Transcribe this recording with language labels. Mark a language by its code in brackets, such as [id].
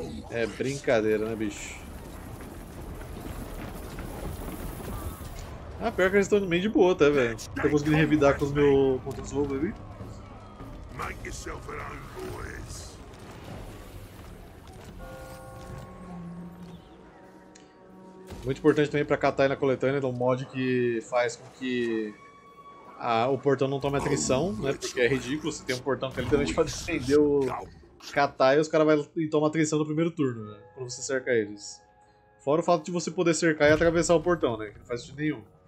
[pt] É brincadeira, né, bicho? Ah, pior que eles estão meio de boa, tá, velho? Tô conseguindo revidar com os meus pontos over ali. [en] Make yourself at home, boys. [pt] Muito importante também pra catar aí na coletânea, um mod que faz com que o portão não tome atrição, né? Porque é ridículo, você tem um portão que literalmente pode defender o catar e os caras vão e tomam atrição no primeiro turno, né? Quando você cerca eles. Fora o fato de você poder cercar e atravessar o portão, né? Não faz sentido nenhum.